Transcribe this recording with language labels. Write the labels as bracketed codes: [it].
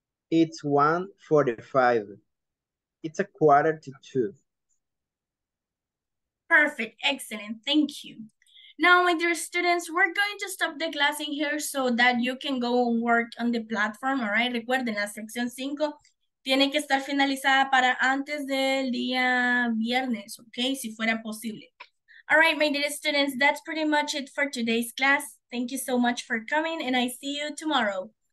[en] It's 1:45. It's 1:45. Perfect. Excellent. Thank you. Now, my dear students, we're going to stop the class in here so that you can go work on the platform, all right? [es] Recuerden, la sección 5 tiene que estar finalizada para antes del día viernes, [en] okay? [es] Si fuera posible. [en] All right, my dear students, that's pretty much it for today's class. Thank you so much for coming, and I see you tomorrow.